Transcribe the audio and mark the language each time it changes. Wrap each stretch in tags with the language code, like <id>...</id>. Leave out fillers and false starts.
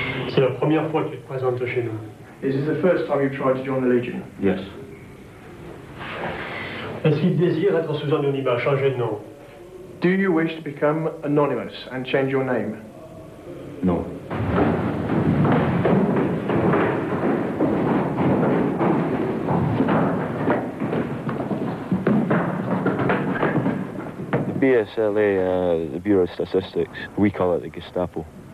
<fr>C'est la première fois que tu te présentes chez nous.</fr> <en>Is this the first time you've tried to join the Legion? Yes.</en> <fr>Est-ce qu'il désire être sous anonymat, changer de nom?</fr> <en>Do you wish to become anonymous and change your name?</en> <fr>Non.</fr> <en>BSLA, the Bureau of Statistics, we call it the Gestapo.</en>